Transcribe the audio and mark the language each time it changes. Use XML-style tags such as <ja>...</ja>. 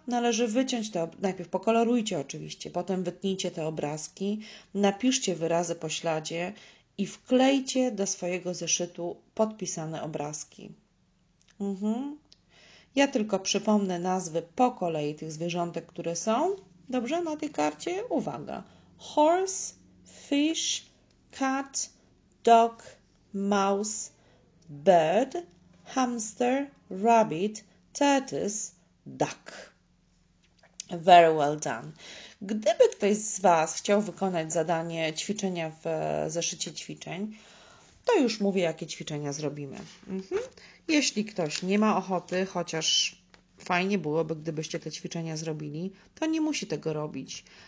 <pl>Należy wyciąć to, najpierw pokolorujcie oczywiście, potem wytnijcie te obrazki, napiszcie wyrazy po śladzie i wklejcie do swojego zeszytu podpisane obrazki. Ja tylko przypomnę nazwy po kolei tych zwierzątek, które są. Dobrze, na tej karcie? Uwaga.</pl> <en>Horse, fish, cat, dog, mouse, bird, hamster, rabbit, tortoise, duck. Very well done.</en> <pl>Gdyby ktoś z Was chciał wykonać zadanie ćwiczenia w zeszycie ćwiczeń, to już mówię, jakie ćwiczenia zrobimy. Jeśli ktoś nie ma ochoty, chociaż fajnie byłoby, gdybyście te ćwiczenia zrobili, to nie musi tego robić.</pl>